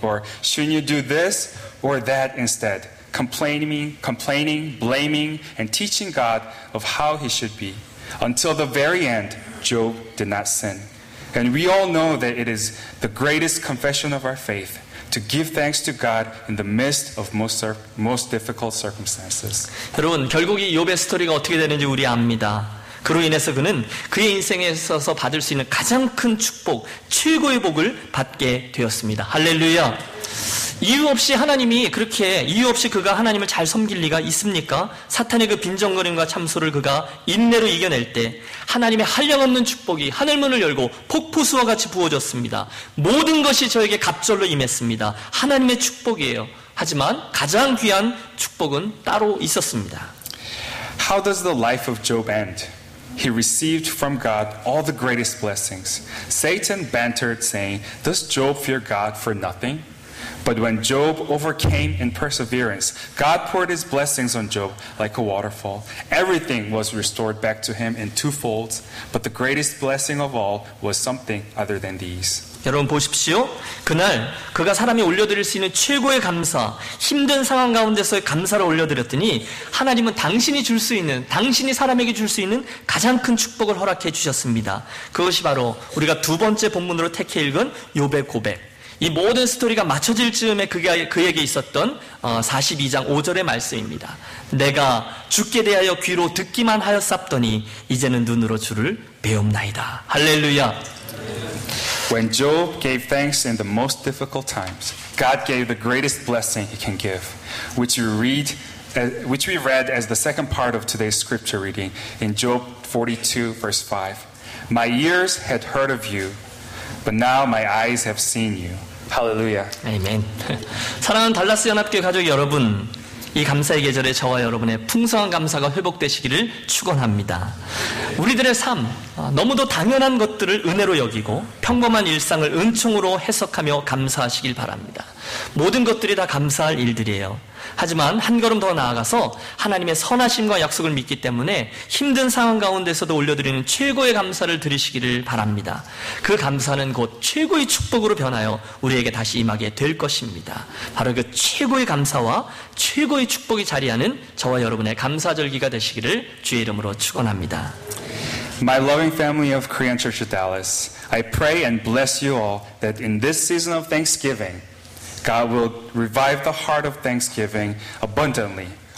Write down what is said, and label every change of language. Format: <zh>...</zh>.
<en>Or shouldn't you do this or that instead?" Complaining, blaming, and teaching God of how he should be. Until the very end, Job did not sin. And we all know that it is the greatest confession of our faith to give thanks to God in the midst of most difficult circumstances.</en> <ko>여러분, 결국 이 욥의 스토리가 어떻게 되는지 우리 압니다. 그로 인해서 그는 그의 인생에 있어서 받을 수 있는 가장 큰 축복, 최고의 복을 받게 되었습니다. 할렐루야! 이유 없이 하나님이 그렇게 이유 없이 그가 하나님을 잘 섬길 리가 있습니까? 사탄의 그 빈정거림과 참소를 그가 인내로 이겨낼 때 하나님의 한량없는 축복이 하늘문을 열고 폭포수와 같이 부어졌습니다. 모든 것이 저에게 갑절로 임했습니다. 하나님의 축복이에요. 하지만 가장 귀한 축복은 따로 있었습니다.</ko> <en>How does the life of Job end? He received from God all the greatest blessings. Satan bantered saying, "Does Job fear God for nothing?" But when Job overcame in perseverance, God poured his blessings on Job like a waterfall. Everything was restored back to him in two folds. But the greatest blessing of all was something other than these.</en> <ko>여러분 보십시오. 그날 그가 사람이 올려드릴 수 있는 최고의 감사, 힘든 상황 가운데서의 감사를 올려드렸더니 하나님은 당신이 줄 수 있는, 당신이 사람에게 줄 수 있는 가장 큰 축복을 허락해 주셨습니다. 그것이 바로 우리가 두 번째 본문으로 택해 읽은 욥의 고백. 이 모든 스토리가 맞춰질 즈음에 그에게 있었던 42장 5절의 말씀입니다. 내가 주께 대하여 귀로 듣기만 하였사더니 이제는 눈으로 주를 배움나이다. 할렐루야!</ko> <en>When Job gave thanks in the most difficult times, God gave the greatest blessing he can give, which we read as the second part of today's scripture reading in Job 42, verse 5. My ears had heard of you, but now my eyes have seen you. Hallelujah. Amen.</en> <ko>사랑하는 달라스 연합교회 가족 여러분, 이 감사의 계절에 저와 여러분의 풍성한 감사가 회복되시기를 축원합니다. 우리들의 삶, 너무도 당연한 것들을 은혜로 여기고 평범한 일상을 은총으로 해석하며 감사하시길 바랍니다. 모든 것들이 다 감사할 일들이에요. 하지만 한 걸음 더 나아가서 하나님의 선하심과 약속을 믿기 때문에 힘든 상황 가운데서도 올려드리는 최고의 감사를 드리시기를 바랍니다. 그 감사는 곧 최고의 축복으로 변하여 우리에게 다시 임하게 될 것입니다. 바로 그 최고의 감사와 최고의 축복이 자리하는 저와 여러분의 감사절기가 되시기를 주의 이름으로 축원합니다.</ko> <en>My loving family of Korean Church of Dallas, I pray and bless you all that in this season of Thanksgiving, God will revive the heart of thanksgiving abundantly.</en>